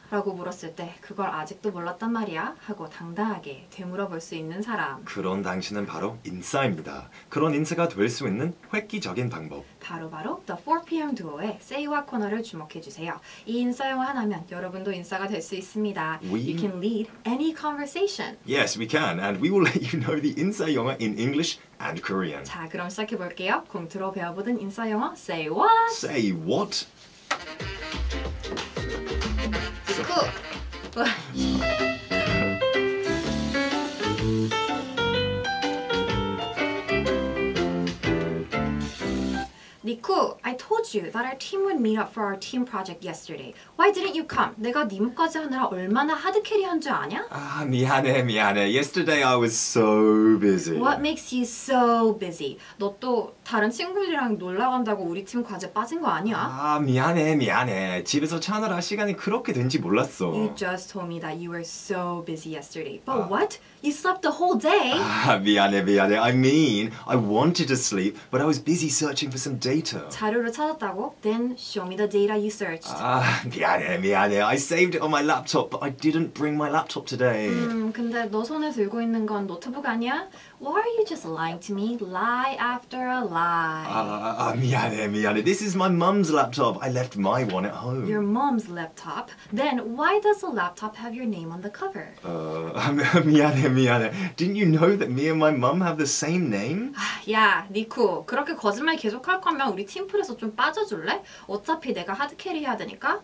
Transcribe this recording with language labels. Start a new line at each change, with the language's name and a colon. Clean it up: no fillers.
Korean: 라고 물었을 때 그걸 아직도 몰랐단 말이야? 하고 당당하게 되물어볼 수 있는 사람. 그런 당신은 바로 인싸입니다. 그런 인싸가 될 수 있는 획기적인 방법. 바로 The 4PM Duo의 Say What 코너를 주목해주세요. 이 인싸 영어 하나면 여러분도 인싸가 될 수 있습니다.
English: You can lead any conversation. Yes, we can. And we will let you know the 인싸 영어 in English and Korean.
Korean: 자, 그럼 시작해볼게요. 공트로 배워보던 인싸 영어 Say What?
English: Say What? Niku, I told you that our team would meet up for our team project yesterday. Why didn't you come?
Korean: 내가 니무까지 하느라 얼마나 하드캐리한 줄 아냐? 아, 미안해.
English: Yesterday I was so busy. What makes you so busy?
Korean: 너 또 다른 친구들이랑 놀러 간다고 우리 팀 과제 빠진 거 아니야? 아, 미안해. 집에서 자느라 시간이 그렇게 된지 몰랐어.
English: You just told me that you were so busy yesterday. But what? You slept the whole day?
Korean: 아, 미안해.
English: I mean, I wanted to sleep, but I was busy searching for some data.
Korean: 자료를 찾았다고?
English: Then show me the data you searched.
Korean: 아, 미안해.
English: I saved it on my laptop, but I didn't bring my laptop today.
Korean: 근데 너 손에 들고 있는 건 노트북 아니야?
English: Why are you just lying to me? Lie after a lie.
Korean: 아, 미안해.
English: This is my mom's laptop. I left my one at home. Your mom's laptop? Then why does the laptop have your name on the cover?
Korean: 미안해.
English: Didn't you know that me and my mom have the same name?
Korean: 야, 니쿠. 그렇게 거짓말 계속할 거면 우리 팀플에서 좀 빠져줄래? 어차피 내가 하드캐리 해야 되니까.